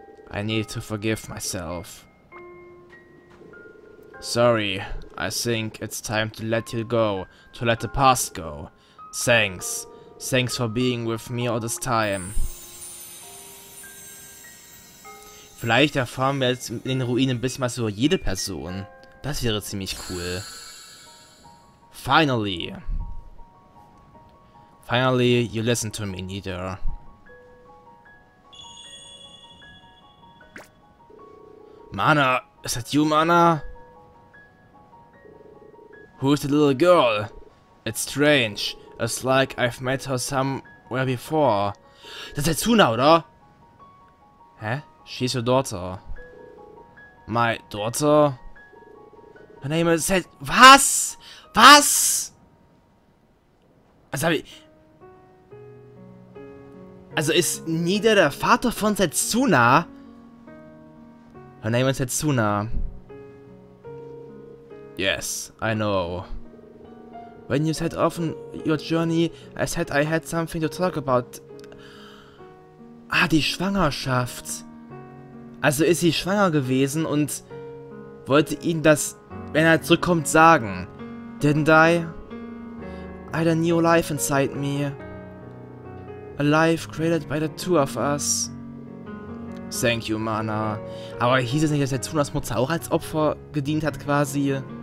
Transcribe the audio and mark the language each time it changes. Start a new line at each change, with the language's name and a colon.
English: I need to forgive myself. Sorry, I think it's time to let you go, to let the past go. Thanks. Thanks for being with me all this time.
German: Vielleicht erfahren wir jetzt in den Ruinen ein bisschen was über jede Person. Das wäre ziemlich cool.
English: Finally. Finally, you listen to me, Nida. Mana, is that you, Mana? Who's the little girl? It's strange. It's like I've met her somewhere before. That's Setsuna,
German: oder?
English: Hä? She's your daughter. My daughter? Her name is Set.
German: Was? Was? Also hab ich. Also ist Nida der Vater von Setsuna?
English: Her name is Setsuna. Yes, I know. When you set off on your journey, I said I had something to talk about.
German: Ah, die Schwangerschaft. Also ist sie schwanger gewesen und wollte ihm das, wenn er zurückkommt, sagen.
English: Didn't I? I had a new life inside me. A life created by the two of us. Thank you, Mana.
German: Aber hieß es nicht, dass Setsunas Mutter auch als Opfer gedient hat, quasi?